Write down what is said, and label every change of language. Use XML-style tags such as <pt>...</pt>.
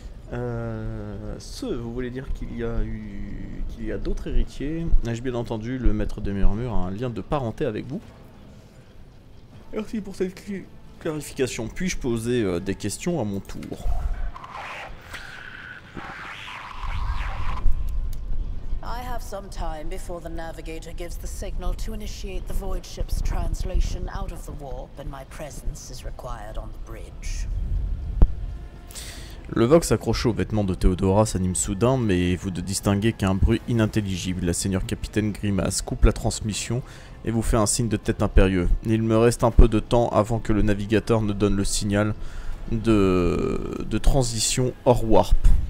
<fr>Vous voulez dire qu'il y a d'autres héritiers? Ai-je bien entendu, le maître des murmures a un lien de parenté avec vous? Merci pour cette clarification. Puis-je poser des questions à mon tour?</fr> <en>I have some time before the navigator gives the signal to initiate the void ship's translation out of the warp and my presence is required on the bridge.</en> <fr>Le Vox accroché aux vêtements de Théodora s'anime soudain, mais vous ne distinguez qu'un bruit inintelligible. La seigneur capitaine grimace, coupe la transmission et vous fait un signe de tête impérieux. Il me reste un peu de temps avant que le navigateur ne donne le signal de transition hors warp.</fr>